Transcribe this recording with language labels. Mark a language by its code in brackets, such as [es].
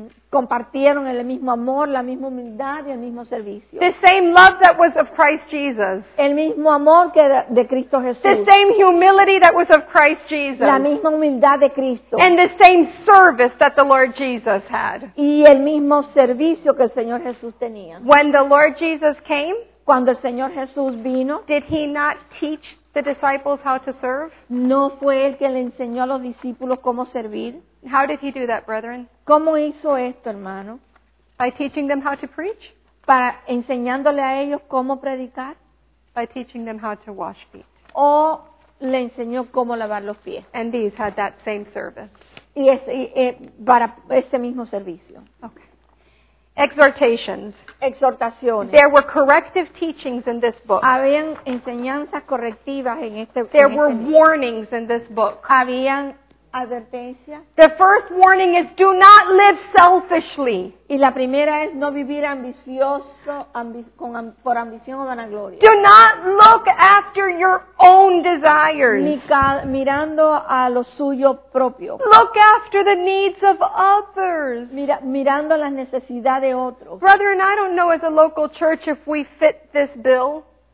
[es] compartieron el mismo amor, la misma humildad y el mismo servicio. [en] The same love that was of Christ Jesus. [es] El mismo amor que de Cristo Jesús. [en] The same humility that was of Christ Jesus. [es] La misma humildad de Cristo. [en] And the same service that the Lord Jesus had. [es] Y el mismo servicio que el Señor Jesús tenía. [en] When the Lord Jesus came, [es] cuando el Señor Jesús vino, [en] did he not teach the disciples how to serve? [es] ¿No fue el que le enseñó a los discípulos cómo servir? [en] How did he do that, brethren? [es] ¿Cómo hizo esto, hermano? [en] By teaching them how to preach. [es] Para enseñándole a ellos cómo predicar. [en] By teaching them how to wash feet. [es] O le enseñó cómo lavar los pies. [en] And these had that same service. [es] Y ese, para ese mismo servicio. [en] Okay. Exhortations. [es] Exhortaciones. [en] There were corrective teachings in this book. [es] Habían enseñanzas correctivas en este. [en] There [es] en [en] were [es] este [en] warnings [es] libro. [en] In this book. [es] Habían advertencias. [en] The first warning is do not live selfishly. [es] Y la primera es no vivir ambicioso por ambición o vanagloria. [en] Do not look after your own desires. [es] Mirando a lo suyo propio. [en] Look after the needs of others. [es] Mirando las necesidades de otros. [en] Brethren, I don't know as a local church if we fit this bill,